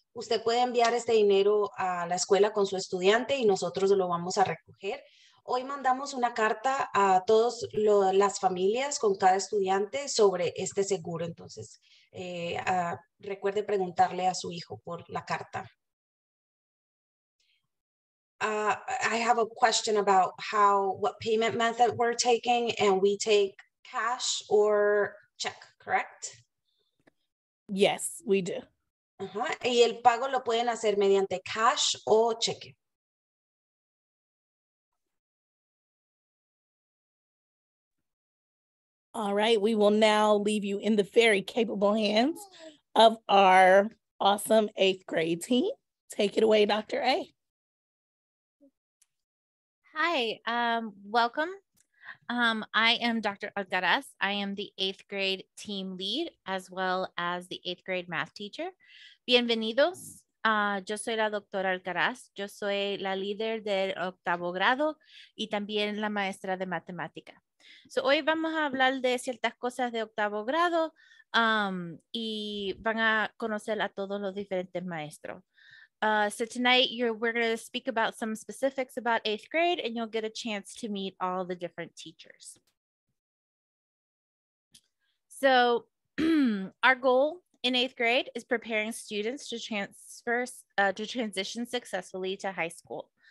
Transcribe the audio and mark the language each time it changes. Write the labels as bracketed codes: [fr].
[es] Usted puede enviar este dinero a la escuela con su estudiante y nosotros lo vamos a recoger. Hoy mandamos una carta a todas las familias con cada estudiante sobre este seguro. Entonces, recuerde preguntarle a su hijo por la carta. [en] I have a question about what payment method we're taking, and we take cash or check, correct? Yes, we do. Uh-huh. [es] Y el pago lo pueden hacer mediante cash o cheque. [en] All right, we will now leave you in the very capable hands of our awesome eighth grade team. Take it away, Dr. A. Hi, welcome. I am Dr. Algaraz. I am the eighth grade team lead as well as the eighth grade math teacher. [es] Bienvenidos. Yo soy la doctora Algaraz. Yo soy la líder del octavo grado y también la maestra de matemática. So hoy vamos a hablar de ciertas cosas de octavo grado y van a conocer a todos los diferentes maestros. [en] So tonight we're going to speak about some specifics about eighth grade, and you'll get a chance to meet all the different teachers. So our goal in eighth grade is preparing students to transition successfully to high school.